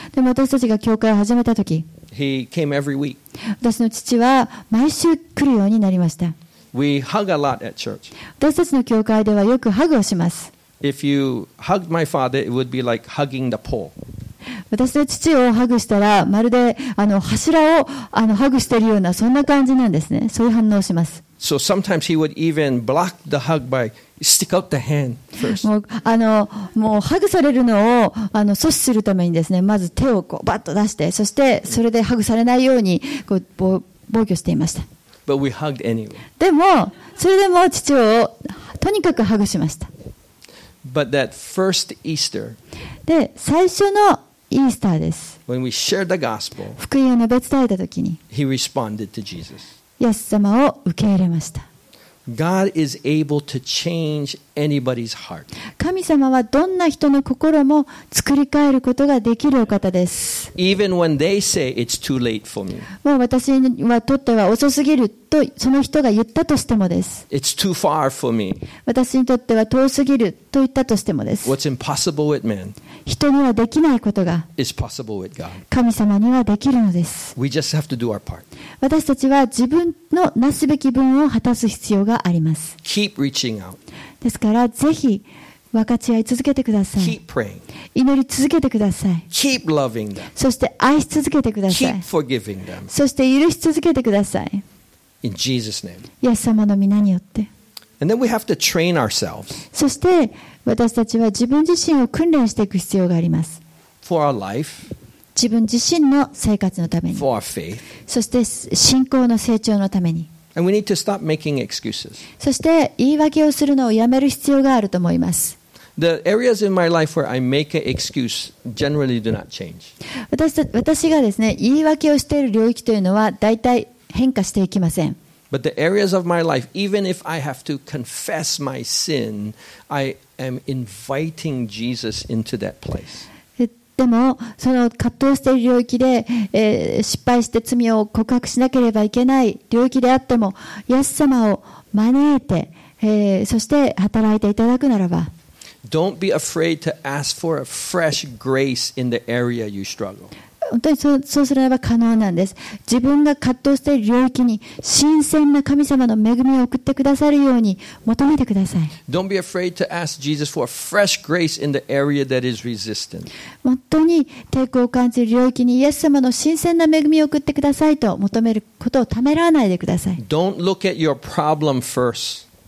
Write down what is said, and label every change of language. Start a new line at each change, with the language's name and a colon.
Japanese: でも私たちが教会を始めた時、
English: he came every week.
Japanese: 私の父は毎週来るようになりました。
English: We hug a lot at church.
Japanese: 私たちの教会ではよくハグをします。
English: If you hugged my father, it would be like hugging the pole.
Japanese: 私の父をハグしたらまるで柱をハグしているようなそんな感じなんですね。そういう反応をします。
English: So sometimes he would even block the hug by stick out the hand first.
Japanese: もうハグされるのを阻止するためにですね、まず手をこうバッと出して、そしてそれでハグされないようにこう防御していました。
English: But we hugged anyway.
Japanese: でもそれでも父をとにかくハグしました。
English: But that first Easter,
Japanese: で最初のイースターです、
English: when we shared the gospel,
Japanese: 福音を述べ伝えた時に、
English: he responded to Jesus.
Japanese: イエス様を受け入れました。
English: God is able to change anybody's heart.
Japanese: 神様はどんな人の心も作り変えることができるお方です。
English: Even when they say it's too late for me.
Japanese: もう私にはとっては遅すぎるとその人が言ったとしてもです。
English: It's too far for me.
Japanese: 私にとっては遠すぎると言ったとしてもです。
English: What's impossible with man?
Japanese: 人にはできないことが神様にはできるのです。私たちは自分のなすべき分を果たす必要があります。ですからぜひ分かち合い続けてください。祈り続けてください。そして愛し続けてください。そして許し続けてください。イエス様の御名によって。
English: And then we have to train ourselves.
Japanese: そして私たちは自分自身を訓練していく必要があります。
English: For our life.
Japanese: 自分自身の生活のために。
English: For our faith.
Japanese: そして信仰の成長のために。
English: And we need to stop making excuses.
Japanese: そして言い訳をするのをやめる必要があると思います。
English: The areas in my life where I make an excuse generally do not change.
Japanese: 私がですね、言い訳をしている領域というのは大体変化していきません。
English: But the areas of my life, even if I have to confess my sin, I am inviting Jesus into that place.
Japanese: でもその葛藤している領域で、失敗して罪を告白しなければいけない領域であってもイエス様を招いて、そして働いていただくならば
English: Don't be afraid to ask for a fresh grace in the area you struggle.
Japanese: 本当にそうすれば可能なんです。自分が葛藤している領域に新鮮な神様の恵みを送ってくださるように求めてください。
English: Don't be afraid to ask Jesus for a fresh grace in the area that is resistant.
Japanese: 本当に抵抗を感じる領域にイエス様の新鮮な恵みを送ってくださいと求めることをためらわないでください。
English: Don't look at your problem first.